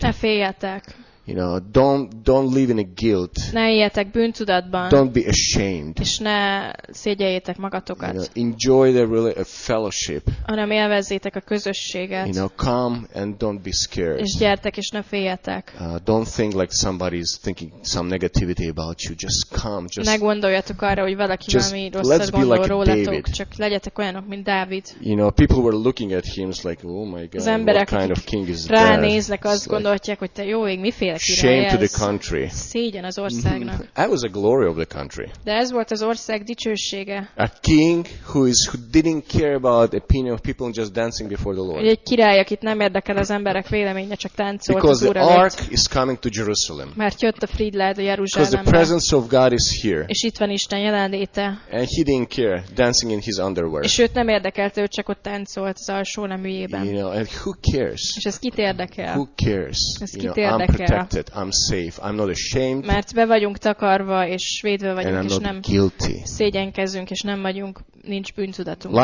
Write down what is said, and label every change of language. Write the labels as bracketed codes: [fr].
[hu] Ne féljetek. [en] You know, don't live in a guilt. [hu] Ne éljetek bűntudatban. [en] Don't be ashamed. [hu] És ne szégyeljétek magatokat. [en] You know, enjoy the really a fellowship. [hu] Hanem élvezzétek a közösséget. [en] You know, come and don't be scared. [hu] És gyertek és ne féljetek. [en] Don't think like somebody is thinking some negativity about you. Just come, just. [hu] Ne gondoljatok arra, hogy valaki valami rosszat gondol rólatok. Csak legyetek olyanok, mint Dávid. [en] You know, people were looking at him like, oh my God, [hu] emberek, [en] what kind of king is that? [hu] Ránéznek, azt gondolják, like, hogy te jó ég, miféle. [en] Shame to the country. [hu] Szégyen az országnak. [en] That was the glory of the country. [hu] De ez volt az ország dicsősége. [en] A king who didn't care about the opinion of people and just dancing before the Lord. [hu] Egy király, akit nem érdekel az emberek véleménye, csak táncolt az Úr előtt. [en] Because the ark is coming to Jerusalem. [hu] Mert jött a fríd le a Jeruzsálembe. [en] Because the presence of God is here. [hu] És itt van Isten jelenléte. [en] And he didn't care dancing in his underwear. [hu] És őt nem érdekelte, hogy csak ott táncolt az alsó neműjében. [en] You know, and who cares? [hu] És ez kit érdekel? [en] Who cares? [hu] Ez kit érdekel? [en] I'm safe. I'm not ashamed. [hu] Mert be vagyunk takarva és védve vagyunk, és nem [en] guilty. [hu] Szégyenkezünk, és nem vagyunk, nincs bűntudatunk.